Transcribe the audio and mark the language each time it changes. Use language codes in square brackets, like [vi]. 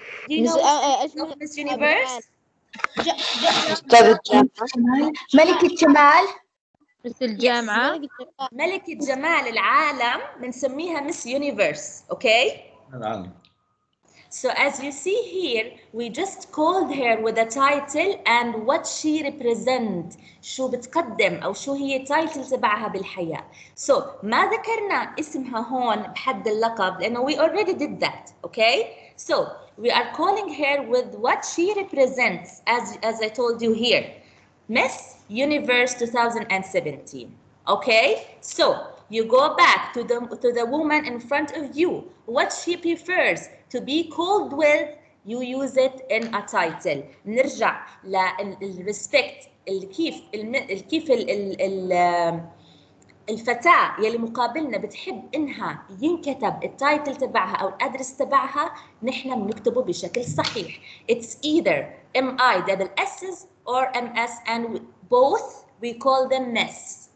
[en] Miss Universe? [ar] ملكة جمال. Miss الجامعة. ملكة جمال العالم بنسميها [en] Miss Universe, okay? So as you see here, we just called her with a title and what she represent. [ar] شو بتقدم أو شو هي title تبعها بالحياة. So ما ذكرنا اسمها هون بحد اللقب لأنه [en] we already did that. Okay. So we are calling her with what she represents as I told you here. Miss Universe 2017. Okay. So you go back to the woman in front of you. What she prefers to be called with, you use it in a title. [ar] نرجع للرسبكت الكيف الكيف ال ال الفتاة يلي مقابلنا بتحب إنها ينكتب التايتل تبعها أو الأدرس تبعها نحن بنكتبه بشكل صحيح. [en] It's either MI double S's or MS and both we call them Miss.